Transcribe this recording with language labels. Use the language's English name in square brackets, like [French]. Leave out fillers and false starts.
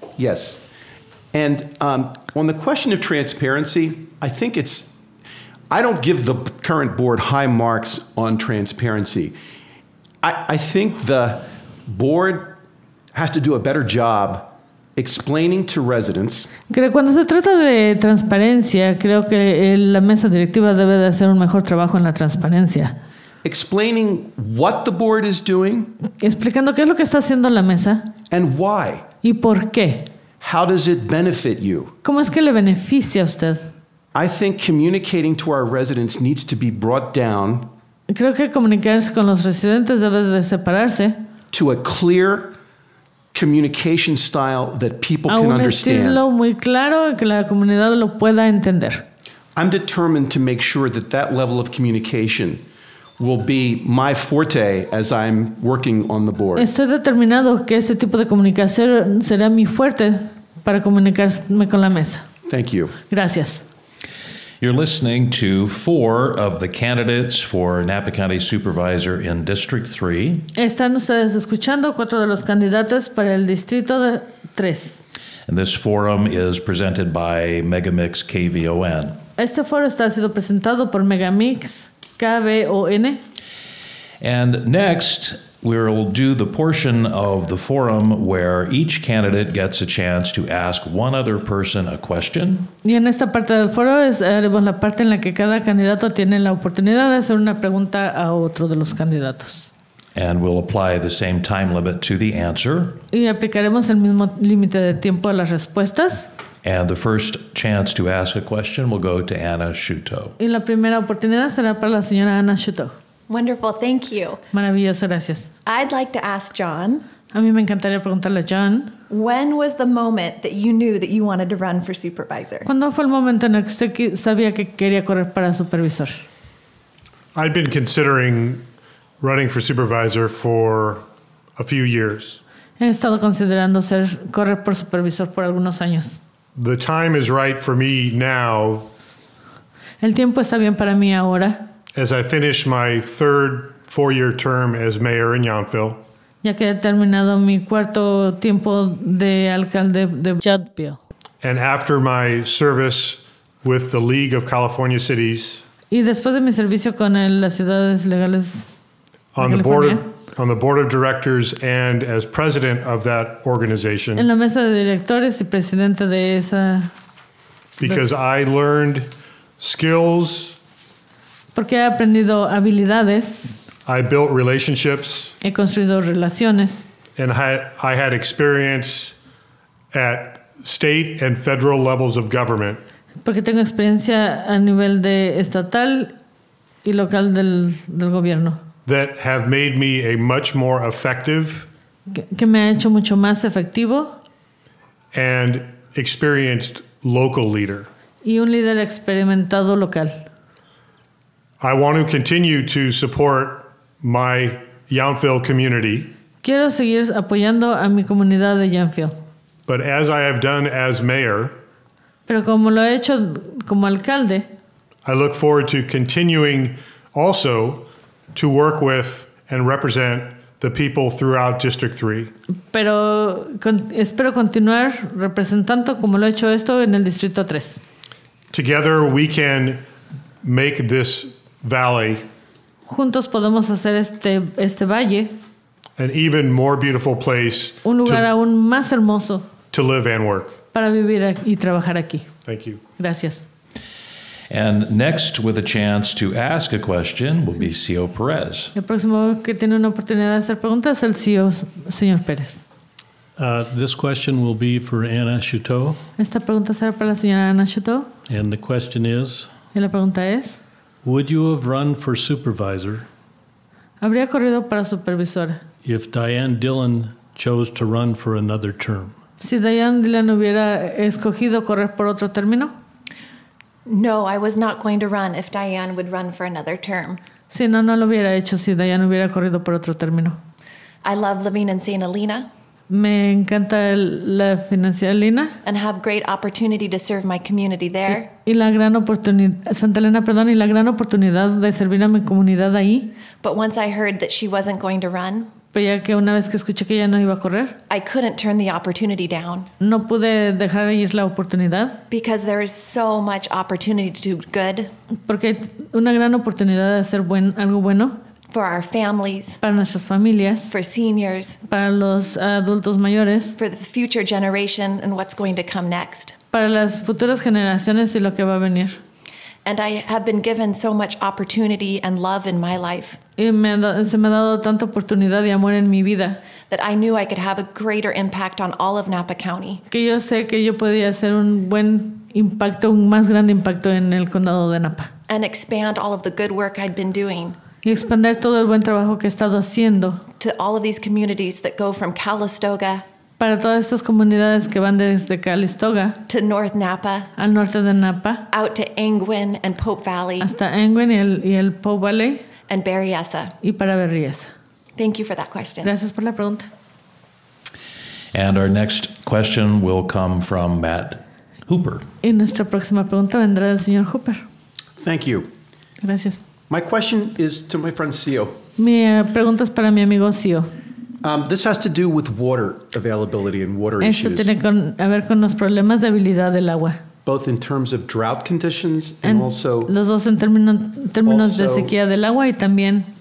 [English] Yes. And on the question of transparency, I think it's I don't give the current board high marks on transparency. I think the board has to do a better job explaining to residents. [Spanish] Creo cuando se trata de transparencia, creo que la mesa directiva debe de hacer un mejor trabajo en la transparencia. [English] Explaining what the board is doing. [Spanish] Explicando qué es lo que está haciendo la mesa. [English] And why. [Spanish] Y por qué. [English] How does it benefit you? [Spanish] ¿Cómo es que le beneficia a usted? [English] I think communicating to our residents needs to be brought down. [Spanish] Creo que comunicarse con los residentes debe de separarse. [English] To a clear communication style that people can understand. [Spanish] A un estilo muy claro que la comunidad lo pueda entender. [English] I'm determined to make sure that that level of communication will be my forte as I'm working on the board. [Spanish] Estoy determinado que ese tipo de comunicación será mi fuerte para comunicarme con la mesa. [English] Thank you. [Spanish] Gracias. [English] You're listening to four of the candidates for Napa County Supervisor in District 3. [Spanish] Están ustedes escuchando cuatro de los candidatos para el Distrito 3. [English] And this forum is presented by Megamix KVON. [Spanish] Este foro está siendo presentado por Megamix KVON. [English] And next, we'll do the portion of the forum where each candidate gets a chance to ask one other person a question. [Spanish] Y en esta parte del foro es la parte en la que cada candidato tiene la oportunidad de hacer una pregunta a otro de los candidatos. [English] And we'll apply the same time limit to the answer. [Spanish] Y aplicaremos el mismo límite de tiempo a las respuestas. [English] And the first chance to ask a question will go to Anna Shuto. [Spanish] Y la primera oportunidad será para la señora Anna Shuto. [English] Wonderful, thank you. [Spanish] Maravilloso, gracias. [English] I'd like to ask John. [Spanish] A mí me encantaría preguntarle a John. [English] When was the moment that you knew that you wanted to run for supervisor? [Spanish] ¿Cuándo fue el momento en el que usted sabía que quería correr para supervisor? [English] I'd been considering running for supervisor for a few years. [Spanish] He estado considerando ser correr por supervisor por algunos años. [English] The time is right for me now. [Spanish] El tiempo está bien para mí ahora. [English] As I finish my third four-year term as mayor in Yountville. [Spanish] Ya que he terminado mi cuarto tiempo de alcalde de Yountville. [English] And after my service with the League of California Cities. [Spanish] Y después de mi servicio con las ciudades legales. [English] On the board of directors and as president of that organization. [Spanish] En la mesa de directores y presidente de esa. [English] Because I learned skills. [Spanish] Porque he aprendido habilidades. [English] I built relationships. [Spanish] He construido relaciones. [English] And I had experience at state and federal levels of government. [Spanish] Porque tengo experiencia a nivel de estatal y local del gobierno. [English] That have made me a much more effective. [Spanish] Que me ha hecho mucho más efectivo. [English] And experienced local leader. [Spanish] Y un líder experimentado local. [English] I want to continue to support my Yountville community. [Spanish] Quiero seguir apoyando a mi comunidad de Yountville. [English] But as I have done as mayor, [Spanish] pero como lo he hecho como alcalde, [English] I look forward to continuing also to work with and represent the people throughout District 3. [Spanish] Pero espero continuar representando como lo he hecho esto en el Distrito 3. [English] Together we can make this valley. [Spanish] Juntos podemos hacer este valle. [English] An even more beautiful place. [Spanish] Un lugar aún más hermoso. [English] To live and work. [Spanish] Para vivir y trabajar aquí. [English] Thank you. [Spanish] Gracias. [English] And next with a chance to ask a question will be CEO Perez. [Spanish] El próximo que tiene una oportunidad de hacer preguntas es el CEO, señor Pérez. [English] This question will be for Anna Shuto. [Spanish] Esta pregunta será para la señora Anna Shuto. [English] And the question is. [Spanish] Y la pregunta es. [English] Would you have run for supervisor? [Spanish] ¿Habría corrido para supervisora? [English] If Diane Dillon chose to run for another term. [Spanish] Si Diane Dillon hubiera escogido correr por otro término? [English] No, I was not going to run if Diane would run for another term. [Spanish] Si no, no lo hubiera hecho si Diane hubiera corrido por otro término. [English] I love living in St. Helena. [Spanish] Me encanta la financiera Lina. [English] And have great opportunity to serve my community there. [Spanish] Y la gran oportunidad, Santa Elena, perdón, y la gran oportunidad de servir a mi comunidad ahí. [English] But once I heard that she wasn't going to run. [Spanish] Pero ya que una vez que escuché que ella no iba a correr. [English] I couldn't turn the opportunity down. [Spanish] No pude dejar ir la oportunidad. [English] Because there is so much opportunity to do good. [Spanish] Porque hay una gran oportunidad de hacer algo bueno. [English] For our families, [Spanish] para nuestras familias, [English] for seniors, [Spanish] para los adultos mayores, [English] for the future generation and what's going to come next, [Spanish] para las futuras generaciones y lo que va a venir. [English] And I have been given so much opportunity and love in my life. [Spanish] Y se me ha dado tanta oportunidad y amor en mi vida. [English] That I knew I could have a greater impact on all of Napa County. [Spanish] Que yo sé que yo podía hacer un buen impacto, un más grande impacto en el condado de Napa. [English] And expand all of the good work I'd been doing. [Spanish] Y expandir todo el buen trabajo que he estado haciendo. [English] To all of these communities that go from Calistoga. [Spanish] Para todas estas comunidades que van desde Calistoga. [English] To North Napa. [Spanish] Al norte de Napa. [English] Out to Angwin and Pope Valley. [Spanish] Hasta Angwin y el Pope Valley. [English] And Berryessa. [Spanish] Y para Berryessa. [English] Thank you for that question. [Spanish] Gracias por la pregunta. [English] And our next question will come from Matt Hooper. [Spanish] Y nuestra próxima pregunta vendrá del señor Hooper. [English] Thank you. [Spanish] Gracias. [English] My question is to my friend Sio. [Spanish] Mi pregunta es para mi amigo Sio. [English] This has to do with water availability and water [Spanish] Esto [English] issues. [Spanish] Tiene con, a ver con los problemas de habilidad del agua. [English] Both in terms of drought conditions and also [Spanish] los dos en términos also, de sequía del agua y también